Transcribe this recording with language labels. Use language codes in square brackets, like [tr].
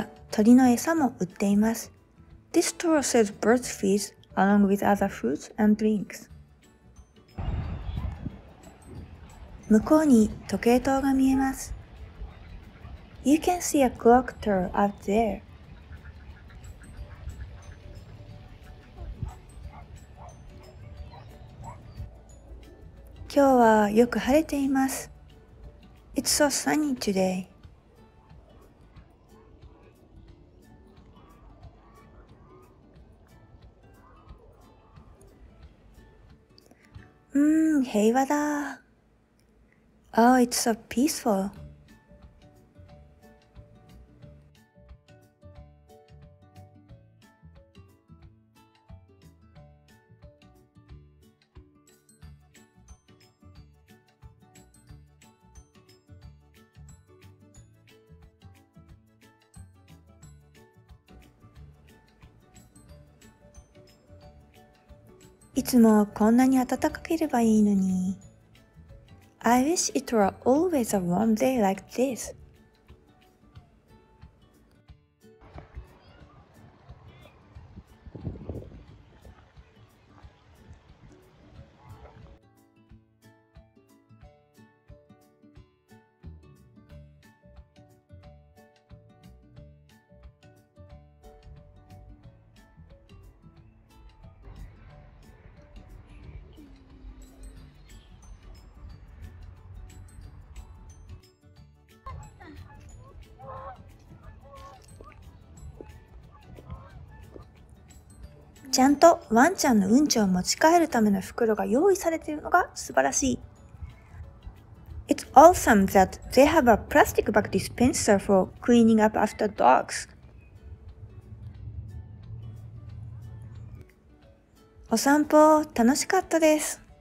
[ja] 鳥の餌も売っています。 [en] This store sells bird feeds along with other foods and drinks. [ja] 向こうに時計塔が見えます。 [en] You can see a clock tower out there. [ja] 今日はよく晴れています。 [en] It's so sunny today. [ja] 平和だ。 [en] Oh, it's so peaceful. [ja] 。いつもこんなに暖かければいいのに。 [en] I wish it were always a warm day like this. [ja] 。ちゃんとワンちゃんのうんちを持ち帰るための袋が用意されているのが素晴らしい。 [en] It's awesome that they have a plastic bag dispenser for cleaning up after dogs. [ja] お散歩楽しかったです。